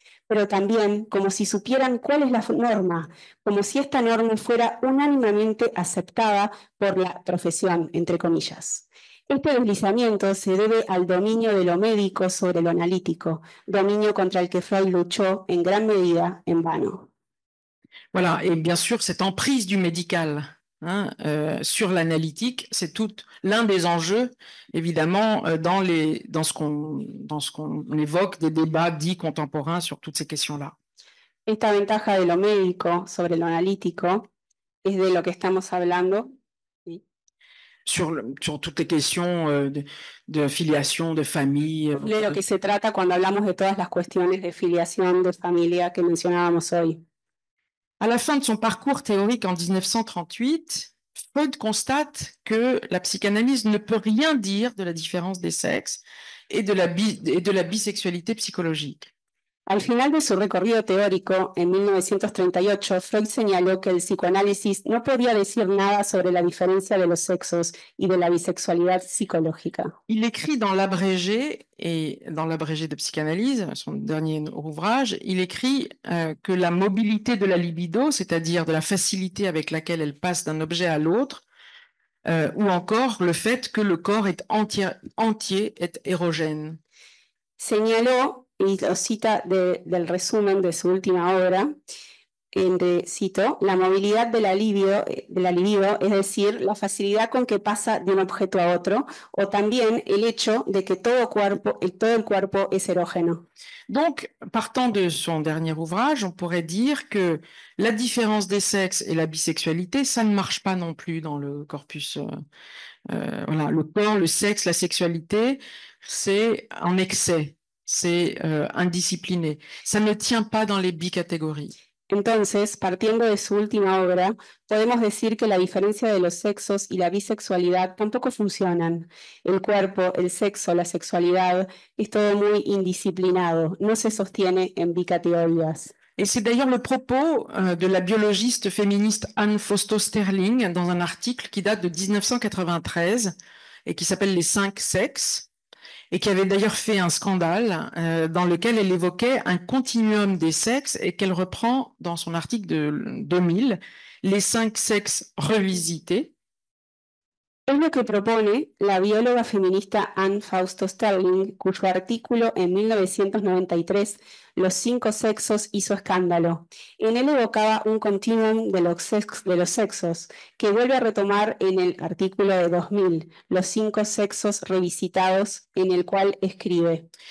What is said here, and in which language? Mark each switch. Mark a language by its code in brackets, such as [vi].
[es] Pero también como si supieran cuál es la norma, como si esta norma fuera unánimemente aceptada por la profesión, entre comillas. Este deslizamiento se debe al dominio de lo médico sobre lo analítico, dominio contra el que Freud luchó en gran medida en vano. [fr] Voilà, et bien sûr, cette emprise du médical sur l'analytique, c'est tout l'un des enjeux, évidemment, dans ce qu'on évoque des débats dits contemporains sur toutes ces questions-là. [es] Esta ventaja de lo médico sobre lo analítico es de lo que estamos hablando. Sí. [fr] Sur toutes les questions de filiación, de famille. [es] De lo que se trata cuando hablamos de todas las cuestiones de filiación, de familia que mencionábamos hoy. [fr] À la fin de son parcours théorique en 1938, Freud constate que la psychanalyse ne peut rien dire de la différence des sexes et de la bisexualité psychologique. [es] Al final de su recorrido teórico en 1938, Freud señaló que el psicoanálisis no podía decir nada sobre la diferencia de los sexos y de la bisexualidad psicológica. [fr] Il écrit dans l'abrégé et dans l'abrégé de psychanalyse, son dernier ouvrage, il écrit que la mobilité de la libido, c'est-à-dire de la facilité avec laquelle elle passe d'un objet à l'autre, ou encore le fait que le corps est entier est érogène. [es] Señaló, y lo cita del resumen de su última obra, cito, la movilidad de la libido, es decir, la facilidad con que pasa de un objeto a otro, o también el hecho de que todo el cuerpo es erógeno. [fr] Donc, partant de son dernier ouvrage, on pourrait dire que la différence des sexes et la bisexualité, ça ne marche pas non plus dans le corpus. Voilà, le corps, le sexe, la sexualité, c'est en excès, c'est indiscipliné. Ça ne tient pas dans les bicatégories. [es] Entonces, partiendo de su última obra, podemos decir que la diferencia de los sexos y la bisexualidad tampoco funcionan. El cuerpo, el sexo, la sexualidad, es todo muy indisciplinado, no se sostiene en bicategorías. [fr] Et c'est d'ailleurs le propos de la biologiste féministe Anne Fausto-Sterling dans un article qui date de 1993 et qui s'appelle « Les cinq sexes ». Et qui avait d'ailleurs fait un scandale dans lequel elle évoquait un continuum des sexes et qu'elle reprend dans son article de 2000, les cinq sexes revisités. [es] Es lo que propone la bióloga feminista Anne Fausto-Sterling, cuyo artículo en 1993, Los cinco sexos, hizo escándalo. En él evocaba un continuum de los sexos, que vuelve a retomar en el artículo de 2000, Los cinco sexos revisitados, en el cual escribe.